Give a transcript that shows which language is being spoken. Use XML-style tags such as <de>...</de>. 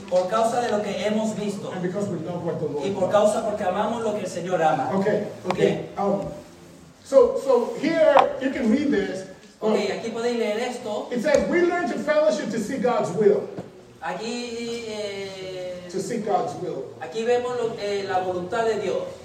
<es>Por causa de lo que hemos visto.</es> <en>And because we love what the Lord</en> <es>y por causa porque amamos lo que el Señor ama.</es> <en>Okay.</en> <es>Bien.</es> <en>So here you can read this.</en> <es>Okay, aquí podéis leer esto.</es> <en>It says we learn to fellowship to see God's will.</en> <es>Aquí,</es> <en>to see God's will.</en> <es>Aquí vemos lo, la voluntad de Dios.</es>